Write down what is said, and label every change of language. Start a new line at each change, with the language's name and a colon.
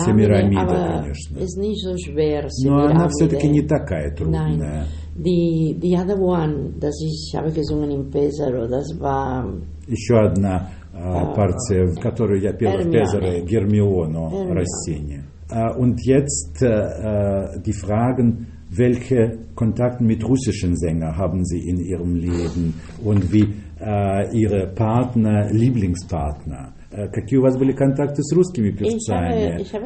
Russian: Семирамида, конечно.
German: Ist nicht so schwer,
Russian: но она все-таки не такая трудная.
German: Nein.
English: The other one,
German: das ist, habe gesungen in Pesaro, das war...
Russian: Еще одна партия, в которую я пела Hermione. В Пезаро, Гермиону Россини.
German: Und jetzt die Fragen, welche Kontakte mit russischen Sängern haben Sie in Ihrem Leben und wie Ihre Partner, Lieblingspartner?
Russian: Какие у вас были контакты с русскими певцами?